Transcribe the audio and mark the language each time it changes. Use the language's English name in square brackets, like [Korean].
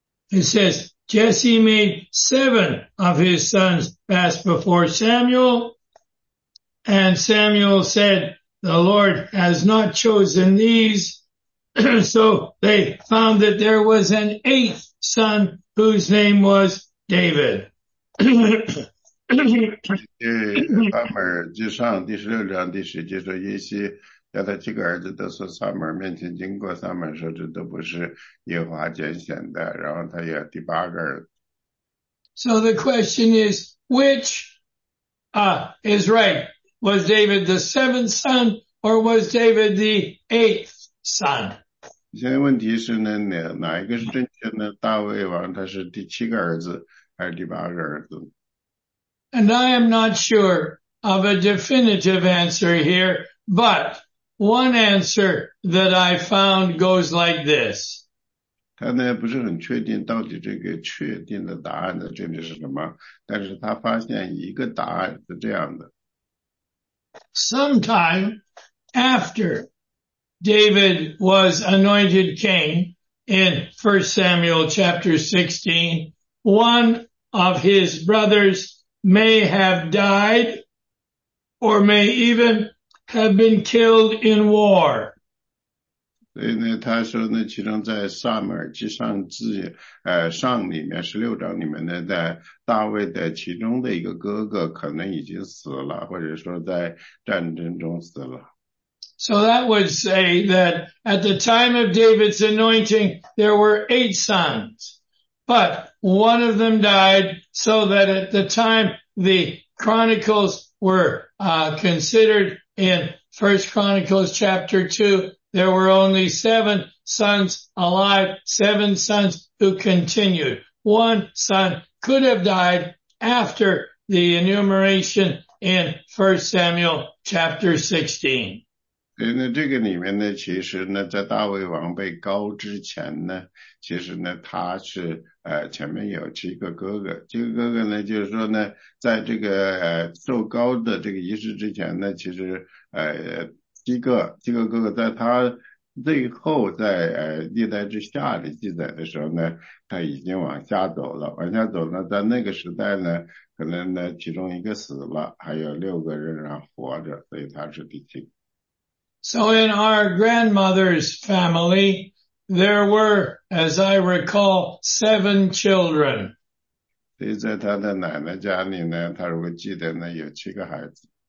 [English] It says, Jesse made seven of his sons pass before Samuel, and Samuel said, the Lord has not chosen these. So they found that there was an eighth son whose name was David. [Chinese] 撒母耳记上第十六章第十节说，耶西叫他七个儿子都从撒母耳面前经过，撒母耳说这都不是耶和华拣选的，然后他也第八个儿子。 [English] So the question is, which is right? Was David the seventh son or was David the eighth son? [Chinese] 现在问题是呢，哪一个是正确呢？大卫王他是第七个儿子还是第八个儿子？ [English] And I am not sure of a definitive answer here, but one answer that I found goes like this. [Chinese] 他呢不是很确定到底这个确定的答案的真的是什么，但是他发现一个答案是这样的。 [English] Sometime after David was anointed king in 1 Samuel chapter 16, one of his brothers may have died or may even have been killed in war. [Chinese] 所以呢，他说呢，其中在撒母耳记上记，上里面十六章里面呢，在大卫的其中的一个哥哥可能已经死了，或者说在战争中死了。 [English] So that would say that at the time of David's anointing, there were eight sons, but one of them died, so that at the time the chronicles were considered in 1 Chronicles chapter 2, there were only seven sons alive, seven sons who continued. One son could have died after the enumeration in 1 Samuel chapter 16. [Chinese] 那这个里面呢，其实呢，在大卫王被膏之前呢，其实呢，他是前面有七个哥哥，七个哥哥呢，就是说呢，在这个受膏的这个仪式之前呢，其实七个哥哥在他最后在历代志下的记载的时候呢，他已经往下走了，往下走呢，在那个时代呢，可能呢其中一个死了，还有6个人还活着，所以他是第七。 [English] So in our grandmother's family, there were, as I recall, seven children. [Chinese] 所以在他的奶奶家里呢，他如果记得呢，有7个孩子。